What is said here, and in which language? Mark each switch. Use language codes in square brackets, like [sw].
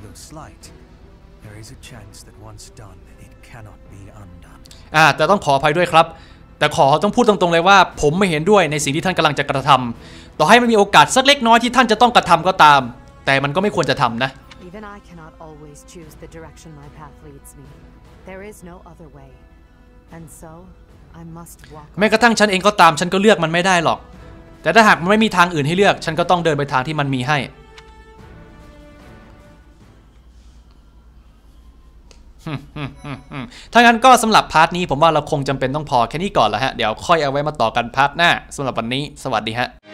[en] slight there is a chance that once done it cannot be undone [th] แต่ต้องขออภัยด้วยครับแต่ขอต้องพูดตรงๆเลยว่าผมไม่เห็นด้วยในสิ่งที่ท่านกำลังจะกระทำต่อให้ไม่มีโอกาสสักเล็กน้อยที่ท่านจะต้องกระทำก็ตามแต่มันก็ไม่ควรจะทำนะ [en] Even I cannot always choose the direction my path leads me there is no other way and so I must walk [th] แม้กระทั่งฉันเองก็ตามฉันก็เลือกมันไม่ได้หรอกแต่ถ้าหากไม่มีทางอื่นให้เลือกฉันก็ต้องเดินไปทางที่มันมีให้ถ้างั้นก็สำหรับพาร์ทนี้ผมว่าเราคงจำเป็นต้องพอแค่นี้ก่อนแล้วฮะเดี๋ยวค่อยเอาไว้มาต่อกันพาร์ทหน้าสำหรับวันนี้สวัสดีฮะ